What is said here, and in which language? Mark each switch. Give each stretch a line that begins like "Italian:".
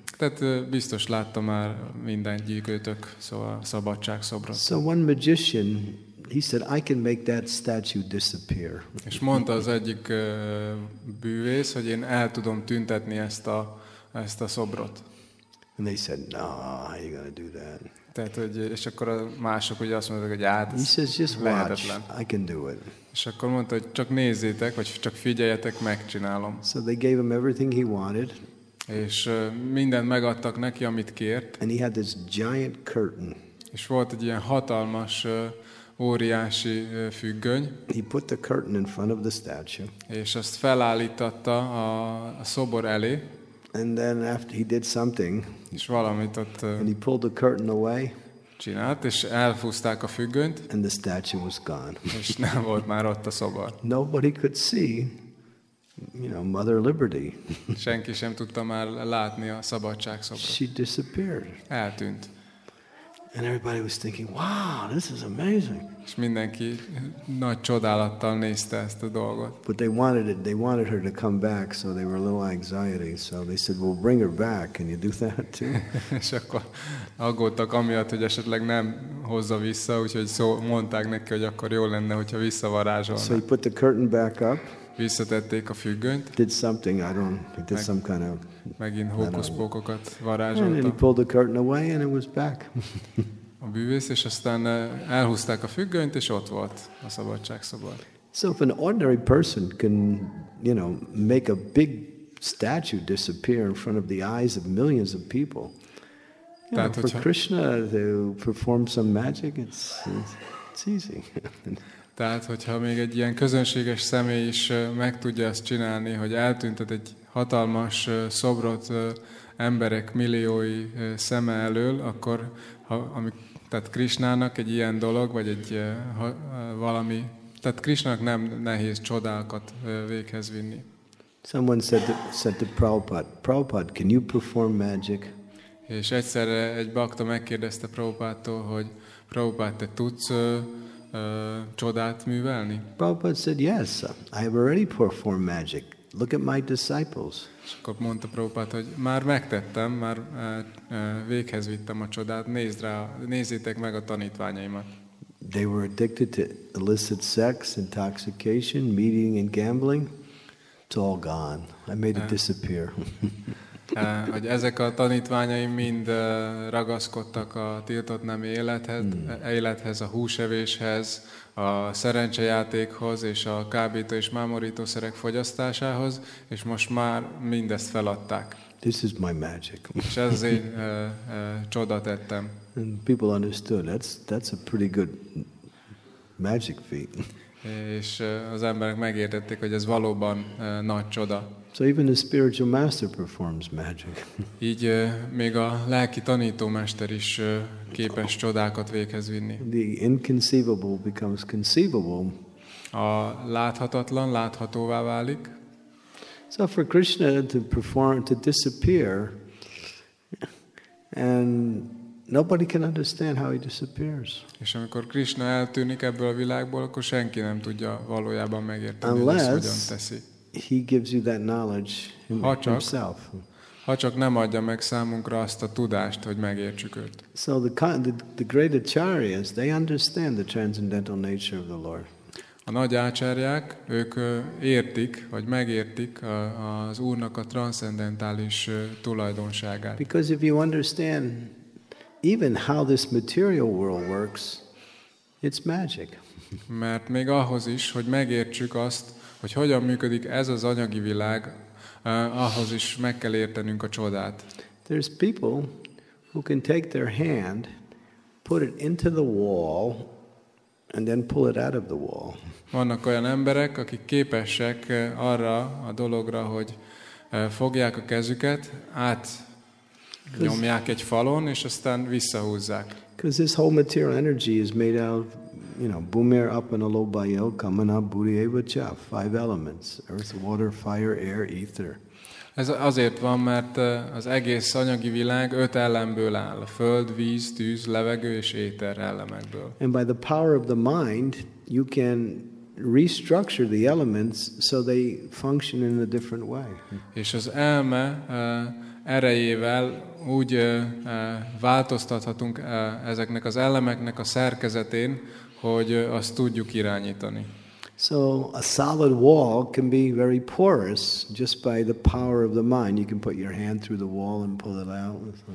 Hungarian: Tehát biztos látta már minden gyűjtőtök, szóval a szabadságszobrot.
English: So one magician, he said, I can make that statue disappear.
Hungarian: És mondta az egyik bűvész, hogy én el tudom tüntetni ezt a szobrot.
English: And they said, no, how are you going to do that?
Hungarian: Tehát, hogy, és akkor a mások ugye azt mondták, hogy hát, ez lehetetlen.
English: He says, just watch, I can do it.
Hungarian: És akkor mondta, hogy csak nézzétek, vagy csak figyeljetek, megcsinálom.
English: So they gave him everything he wanted.
Hungarian: És mindent megadtak neki, amit kért.
English: And he had this giant curtain.
Hungarian: És volt egy ilyen hatalmas, óriási függöny.
English: He put the curtain in front of the statue.
Hungarian: És azt felállította a szobor elé.
English: And then after he did something,
Hungarian: és valamit ott,
English: and he pulled the curtain away,
Hungarian: csinált, és elfúzták a függönyt,
English: and the statue was gone.
Hungarian: És nem volt már ott a szobor.
English: Nobody could see, you know, Mother Liberty.
Hungarian: Senki sem tudta már látni a szabadságszobrot.
English: She disappeared.
Hungarian: Eltűnt.
English: And everybody was thinking, wow, this is amazing.
Hungarian: És mindenki nagy csodálattal nézte ezt a dolgot.
English: But they wanted it, they wanted her to come back, so they were a little anxiety. So they said, well, bring her back, can you do that too?
Hungarian: És akkor aggódtak amiatt, hogy esetleg nem hozza vissza, úgyhogy mondták neki, hogy akkor jó lenne, hogyha visszavarázsolna.
English: So he put the curtain back up.
Hungarian: Visszatették a függönyt.
English: Did something, I don't, he did some kind of...
Hungarian: Megint hókuszpókokat varázsolta.
English: And he pulled the curtain away, and it was back.
Hungarian: A bűvész, és aztán elhúzták a függönyt, és ott volt a szabadságszobor.
English: So if an ordinary person can, you know, make a big statue disappear in front of the eyes of millions of people,
Hungarian: tehát,
English: know, for Krishna to perform some magic, it's easy.
Hungarian: Tehát, hogyha még egy ilyen közönséges személy is meg tudja ezt csinálni, hogy eltüntet egy hatalmas szobrot emberek milliói szeme elől, akkor tehát Krisnának egy ilyen dolog, vagy egy valami, tehát Krisnának nem nehéz csodákat véghez vinni.
English: Someone said to Prabhupada, Prabhupada, can you perform magic?
Hungarian: És egyszer egy bakta megkérdezte Prabhupától, hogy Prabhupád, te tudsz csodát művelni?
English: Prabhupada said, yes, I have already performed magic. Look at my disciples.
Hungarian: És akkor mondta Prabhupád, hogy már megtettem, már véghez vittem a csodát, nézzétek meg a tanítványaimat.
English: They were addicted to illicit sex, intoxication, meeting and gambling. It's all gone. I made it disappear.
Hungarian: Hogy ezek a tanítványaim mind ragaszkodtak a tiltott nemi élethez, a húsevéshez, a szerencsejátékhoz és a kábító és mámorítószerek fogyasztásához, és most már mindezt feladták.
English: This is my magic.
Hungarian: És ez az én csoda tettem.
English: And people understood, that's a pretty good magic feat.
Hungarian: És az emberek megértették, hogy ez valóban nagy csoda.
English: So even the spiritual master performs magic.
Hungarian: Így még a lelki tanítómester is képes csodákat véghez vinni.
English: The inconceivable becomes conceivable.
Hungarian: A láthatatlan láthatóvá válik.
English: So for Krishna to perform, to disappear, and nobody can understand how he disappears.
Hungarian: És amikor Krishna eltűnik ebből a világból, akkor senki nem tudja valójában megérteni,
English: unless
Hungarian: hogy ezt hogyan teszi.
English: He gives you that knowledge himself.
Hungarian: Ha csak nem adja meg számunkra azt a tudást, hogy megértsük őt.
English: So the great acharyas, they understand the transcendental nature of the Lord.
Hungarian: A nagy ácsárják, ők értik, vagy megértik az Úrnak a transzcendentális tulajdonságát.
English: Because if you understand even how this material world works, it's magic.
Hungarian: Mert még ahhoz is, hogy megértsük azt, hogy hogyan működik ez az anyagi világ, ahhoz is meg kell értenünk a csodát.
English: There's people who can take their hand, put it into the wall, And then pull it out of the wall.
Hungarian: Vannak olyan emberek, akik képesek arra a dologra, hogy fogják a kezüket, átnyomják egy falon, és aztán visszahúzzák.
English: Because this whole material energy is made out of, you know,
Sanskrit: Bhumir Apana Lobayel Kamana Buryeva Cha,
English: five elements: earth, water, fire, air, ether.
Hungarian: Ez azért van, mert az egész anyagi világ öt elemből áll: föld, víz, tűz, levegő és éter elemekből.
English: And by the power of the mind, you can restructure the elements so they function in a different way.
Hungarian: És az elme erejével úgy változtathatunk ezeknek az elemeknek a szerkezetén, hogy azt tudjuk irányítani.
English: So a solid wall can be very porous just by the power of the mind. You can put your hand through the wall and pull it out.